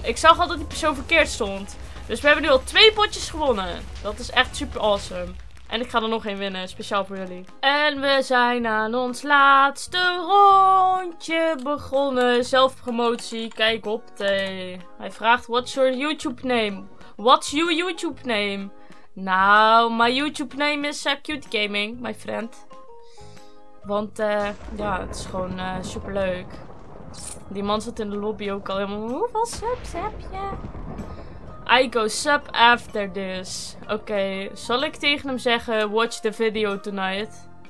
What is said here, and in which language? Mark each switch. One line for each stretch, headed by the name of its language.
Dutch: Ik zag al dat die persoon verkeerd stond. Dus we hebben nu al 2 potjes gewonnen. Dat is echt super awesome. En ik ga er nog één winnen, speciaal voor jullie. En we zijn aan ons laatste rondje begonnen. Zelfpromotie, kijk op, Tee. Hij vraagt,
English: what's your YouTube name? What's your YouTube name? Nou, my YouTube name is Cute Gaming, my friend.
Dutch: Want, ja, het is gewoon superleuk. Die man zat in de lobby ook al helemaal, hoeveel subs heb je?
English: I go sub after this.
Dutch: Oké, zal ik tegen hem zeggen,
English: watch the video tonight?